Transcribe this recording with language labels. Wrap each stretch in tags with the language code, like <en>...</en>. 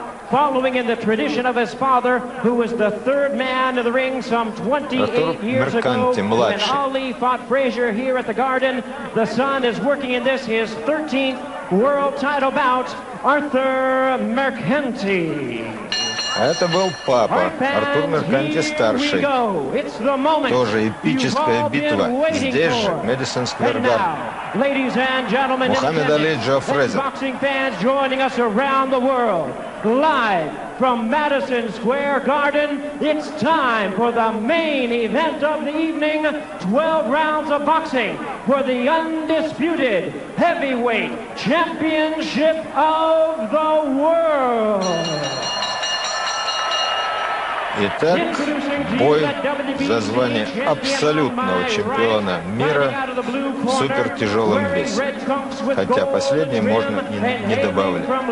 <en>Following in the tradition of his father, who was the third man in the ring some 28 years ago, when Ali fought Frazier here at the Garden, the son is working in this, his 13th world title bout, Arthur Mercanti.</en> <ru>Это был папа, Артур Мерканти-старший. Тоже эпическая битва. Здесь же, Madison Square Garden. Мухаммед Али, Джо Фрейзер.</ru> <en>Live from Madison Square Garden, it's time for the main event of the evening, 12 rounds of boxing for the undisputed heavyweight championship of the world.</en> <ru>Итак, бой за звание абсолютного чемпиона мира в супертяжелом весе. Хотя последнее можно не добавлять.</ru>